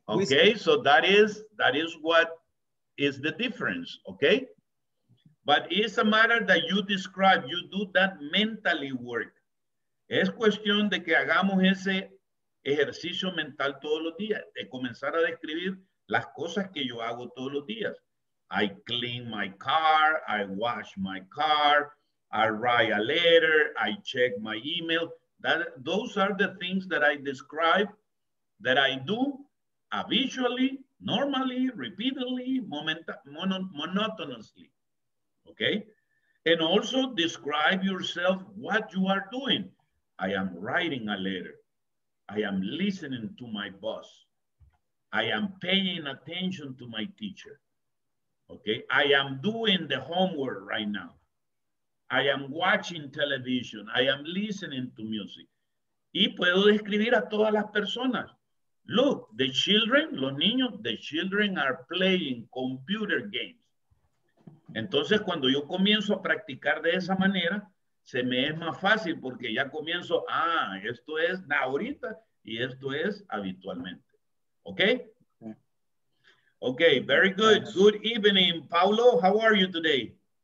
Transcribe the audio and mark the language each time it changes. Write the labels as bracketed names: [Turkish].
[English] Okay, whiskey. So that is what is the difference, okay? But it's a matter that you describe, you do that mentally work. [Spanish] Es cuestión de que hagamos ese ejercicio mental todos los días, de comenzar a describir las cosas que yo hago todos los días. [English] I clean my car, I wash my car, I write a letter, I check my email. That, those are the things that I describe, that I do habitually, normally, repeatedly, monotonously. Okay? And also describe yourself what you are doing. I am writing a letter. I am listening to my boss. I am paying attention to my teacher. Okay? I am doing the homework right now. I am watching television. I am listening to music. [Spanish] Y puedo describir a todas las personas. [English] Look, the children, [Spanish] los niños, [English] the children are playing computer games. [Spanish] Entonces, cuando yo comienzo a practicar de esa manera, se me es más fácil porque ya comienzo, ah, esto es ahorita y esto es habitualmente. [English] Okay? Okay, very good. Good evening, Paulo. How are you today?